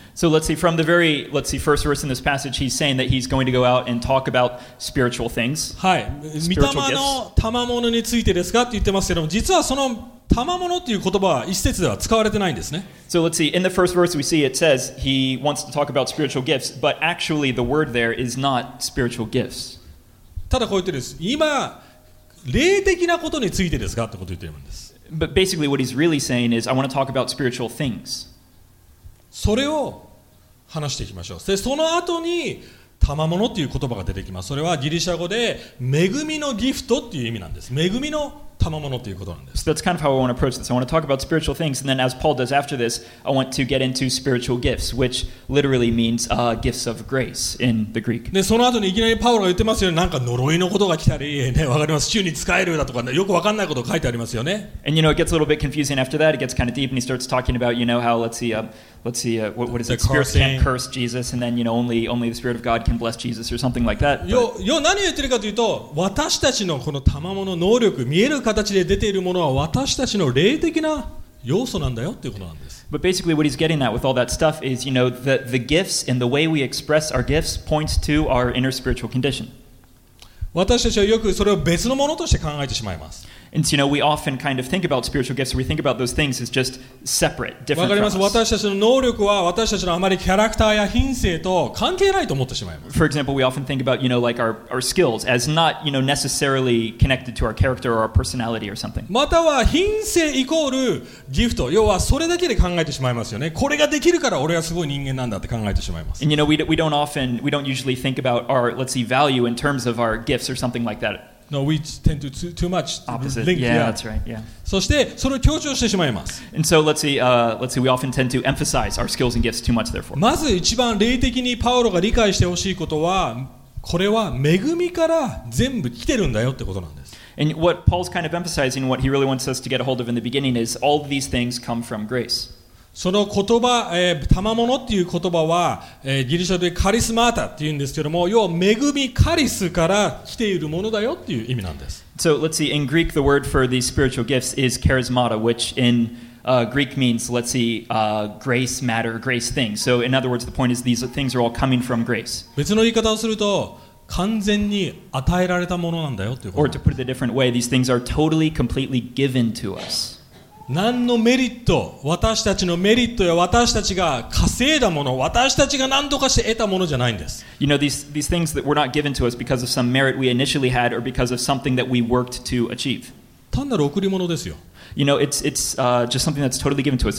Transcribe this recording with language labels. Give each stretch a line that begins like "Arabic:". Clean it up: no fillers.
English: So let's see, from the very, let's see, first verse in this passage, he's saying that he's going to go out and talk about spiritual things.
Japanese: はい、御霊の賜物についてですかって言ってますけども、実はその賜物という言葉は一節では使われてないんですね。
English: So let's see, in the first verse we see it says he wants to talk about spiritual gifts, but actually the word there is not spiritual gifts.
Japanese: ただこう言ってるんです。今、霊的なことについてですかってこと言ってるんです。
English: But basically what he's really saying is I want to talk about spiritual things.
Japanese: それを話していきましょう。で、その後に賜物という言葉が出てきます。それはギリシャ語で恵みのギフトという意味なんです。恵みの賜物ということなんです。
English: So that's kind of how I want to approach this. I want to talk about spiritual things, and then as Paul does after this, I want to get into spiritual gifts, which literally means gifts of grace in the Greek.
Japanese: で、その後にいきなりパウロが言ってますよね。なんか呪いのことが来たり、ね、わかります。主に使えるだとか、ね、よくわかんないこと書いてありますよね。
English: And you know, it gets a little bit confusing after that. It gets kind of deep, and he starts talking about, you know, how, let's see, what is it? Spirits can't curse Jesus, and then, you know, only the Spirit of God can bless Jesus, or something like that.
Japanese: よ、何言ってるかというと、私たちのこの賜物の能力、見える形で出ているものは私たちの霊的な要素なんだよっていうことなんです。
English: But basically what he's getting at with all that stuff is, you know, the gifts and the way we express our gifts points to our inner spiritual condition.
Japanese: 私たちはよくそれを別のものとして考えてしまいます。
English: And so, you know, we often kind of think about spiritual gifts, we think about those things as just separate, different from us.
Japanese: 私たちの能力は私たちのあまりキャラクターや品性と関係ないと思ってしまいます。
English: For example, we often think about, you know, like our skills as not, you know, necessarily connected to our character or our personality or something.
Japanese: または品性イコールギフト、要はそれだけで考えてしまいますよね。これができるから俺はすごい人間なんだって考えてしまいます。
English: And you know, we don't usually think about our, let's see, value in terms of our gifts or something like that. No, we tend to too much opposite. Link, yeah, that's right. Yeah.
Japanese: そしてそれを強調してしまいます。
English: And so let's see, we often tend to emphasize our skills and gifts too much, therefore.
Japanese: まず一番霊的にパウロが理解してほしいことは、これは恵みから全部来てるんだよってことなんです。
English: And what Paul's kind of emphasizing, what he really wants us to get a hold of in the beginning is all of these things come from grace.
Japanese: その言葉、賜物っていう言葉は、ギリシャでカリスマータって言うんですけども、要は恵みカリスから来ているものだよっていう意味なんです。
English: So let's see, in Greek the word for these spiritual gifts is charismata, which in Greek means, let's see, grace matter, grace thing. So in other words, the point is these things are all coming from grace.
Japanese: 別の言い方をすると、完全に与えられたものなんだよっていうこと。
English: Or to put it a different way, these things are totally, completely given to us.
Japanese: 何のメリット、私たちのメリットや私たちが稼いだもの、私たちが何とかして得たものじゃないんです。
English: You know, these things that were not given to us because of some merit we initially had or because of something that we worked to achieve.
Japanese: 単なる贈り物ですよ。
English: You know, it's just something that's totally given to us.